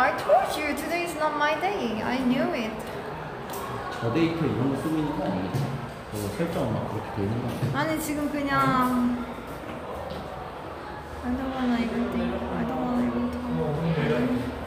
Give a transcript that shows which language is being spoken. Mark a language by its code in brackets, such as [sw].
[en] I told you today is not my day. I knew it. [ko] 저 데이터 이런 거 쓰고 있는 거 아니지? 그거 설정 막 그렇게 돼 있는 거 아니야? 아니 지금 그냥 [en] I don't wanna even think. I don't wanna even talk.